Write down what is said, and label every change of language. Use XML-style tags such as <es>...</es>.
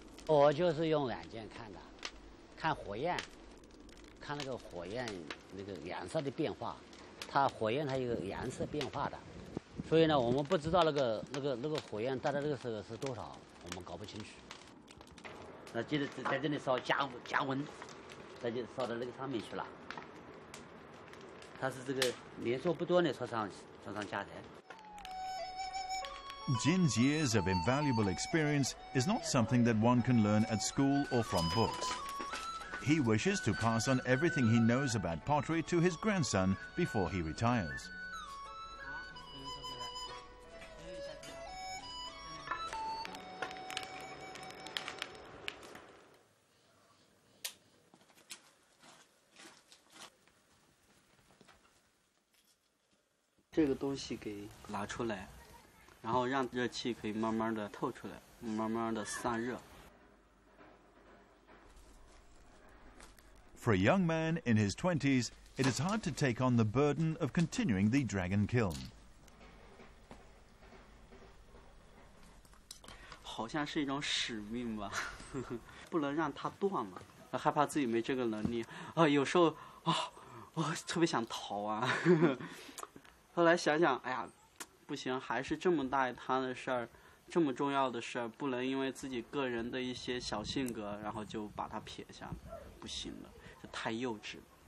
<en>I just use my eyes to look at the fire. Look at the fire, the color of the fire. The fire has a color of the fire. So we don't know how much fire we put in this time. We don't know how much fire we put in this time.</en> <zh>那接着在这里烧加温，那就烧到那个上面去了。它是这个年数不多的烧上加柴。</zh> <en>Jin's years of invaluable experience is not something that one can learn at school or from books. He wishes to pass on everything he knows about pottery to his grandson before he retires.</en> <zh>这个东西给拿出来，然后让热气可以慢慢的透出来，慢慢的散热。</zh> <en>For a young man in his 20s, it is hard to take on the burden of continuing the dragon kiln.</en> <zh>好像是一种使命吧，不能让它断了，害怕自己没这个能力。有时候我特别想逃啊。后来想想，哎呀，不行，还是这么大一摊的事儿，这么重要的事儿，不能因为自己个人的一些小性格，然后就把它撇下，不行了，这太幼稚了。</zh>